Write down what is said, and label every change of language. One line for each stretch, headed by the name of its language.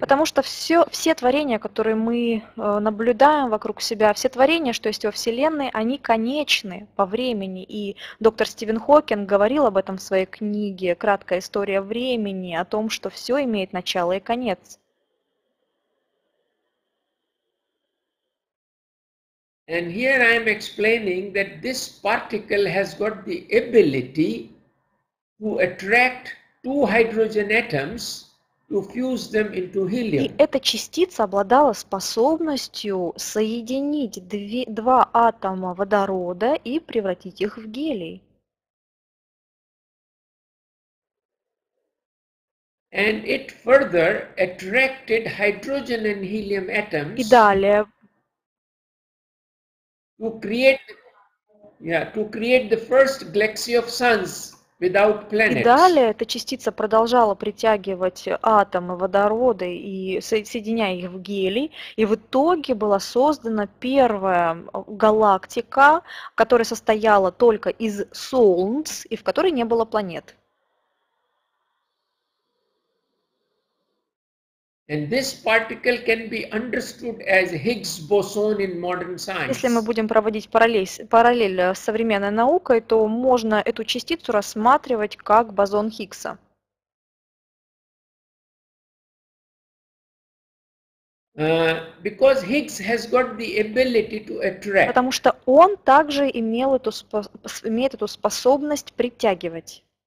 Russian: Потому что все творения, которые мы наблюдаем вокруг себя, все творения, что есть во Вселенной, они конечны по времени. И доктор Стивен Хокинг говорил об этом в своей книге «Краткая история времени», о том, что все имеет начало и конец.
English: And here I am explaining that this particle has got the ability to attract two hydrogen atoms to fuse them into helium.
Russian: И эта частица обладала способностью соединить два атома водорода и превратить их в гелий.
English: And it further attracted hydrogen and helium atoms.
Russian: И далее
English: To create the first galaxy of suns without planets.
Russian: И далее эта частица продолжала притягивать атомы водорода и соединяя их в гелий, и в итоге была создана первая галактика, которая состояла только из солнц и в которой не было планет.
English: And this particle can be understood as Higgs boson in modern science.
Russian: Если мы будем проводить параллель с современной наукой, то можно эту частицу рассматривать как бозон Хиггса.
English: Because Higgs has got the ability to attract.
Russian: Потому что он также имеет эту способность притягивать.